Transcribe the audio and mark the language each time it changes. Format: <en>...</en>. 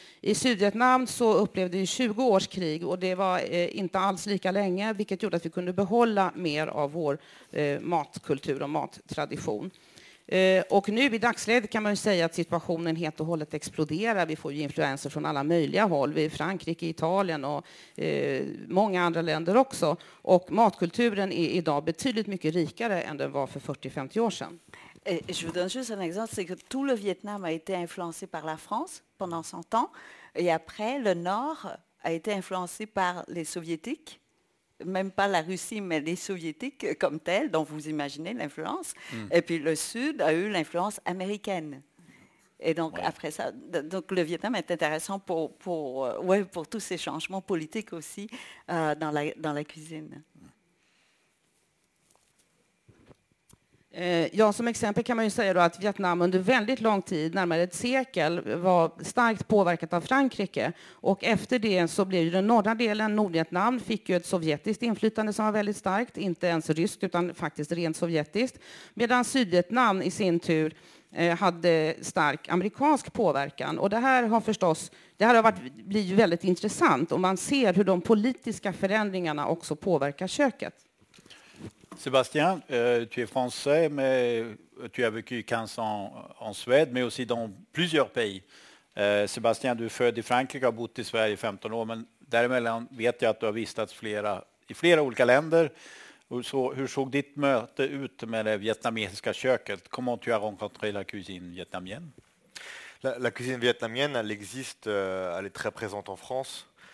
<sv>I Sydvietnam så upplevde vi 20 års krig och det var inte alls lika länge, vilket gjorde att vi kunde behålla mer av vår matkultur och mattradition. Och nu i dagsläget kan man ju säga att situationen helt och hållet exploderar. Vi får ju influenser från alla möjliga håll. Vi är i Frankrike, Italien och många andra länder också. Och matkulturen är idag betydligt mycket rikare än den var för 40-50 år sedan.</sv> <fr>Je vous donne juste un exemple, c'est que tout le Vietnam a été influencé par la France pendant 100 ans. Et après, le Nord a été influencé par les Soviétiques. Même pas la Russie, mais les Soviétiques comme tels, dont vous imaginez l'influence. Mmh. Et puis le Sud a eu l'influence américaine. Et donc ouais. Après ça, donc le Vietnam est intéressant pour tous ces changements politiques aussi dans la cuisine.</fr> <sv>Ja, som exempel kan man ju säga då att Vietnam under väldigt lång tid, närmare ett sekel, var starkt påverkat av Frankrike. Och efter det så blev ju den norra delen, Nordvietnam, fick ju ett sovjetiskt inflytande som var väldigt starkt. Inte ens ryskt utan faktiskt rent sovjetiskt. Medan Sydvietnam i sin tur hade stark amerikansk påverkan. Och det här har förstås, det här har blivit väldigt intressant. Och man ser hur de politiska förändringarna också påverkar köket.</sv> <fr>Sébastien, tu es français, mais tu as vécu 15 ans en Suède, mais aussi dans plusieurs pays.</fr> <sv>Sébastien, du är född i Frankrike och har bott i Sverige 15 år, men däremellan vet jag att du har vistats i flera olika länder. Hur såg ditt möte ut med det vietnamesiska köket?</sv> <fr>Comment tu as rencontré la cuisine vietnamienne? La cuisine vietnamienne, elle existe, elle est très présente en France.</fr>